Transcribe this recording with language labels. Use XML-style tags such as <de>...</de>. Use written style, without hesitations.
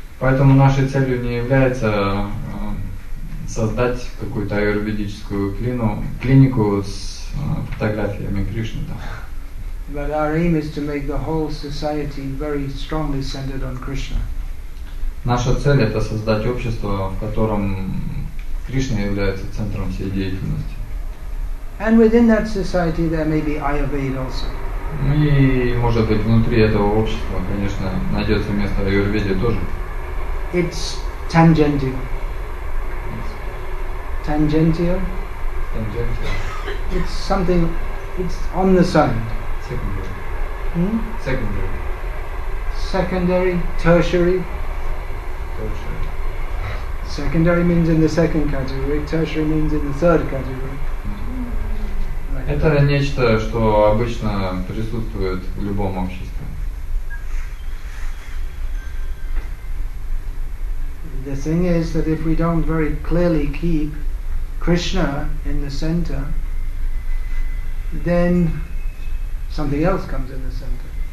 <ru>Поэтому нашей целью не является создать какую-то аюрведическую клинику с фотографиями Кришны.</ru> <en>But our aim is to make the whole society very strongly centered on Krishna.</en> <ru>Наша цель — это создать общество, в котором Кришна является центром всей деятельности.</ru> <en>And within that society there may be Ayurveda also.</en> <ru>И, может быть, внутри этого общества, конечно, найдется место Аюрведе тоже.</ru> <en>It's tangential. Tangential? Tangential. It's something, it's on the side. Secondary. Hmm? Secondary. Secondary, tertiary. Tertiary. Secondary means in the second category, tertiary means in the third category.</en> <ru>Это нечто, что обычно присутствует в любом обществе.</ru> <en>The thing is that if we don't very clearly keep Krishna in the center, then something else comes in the center.</en>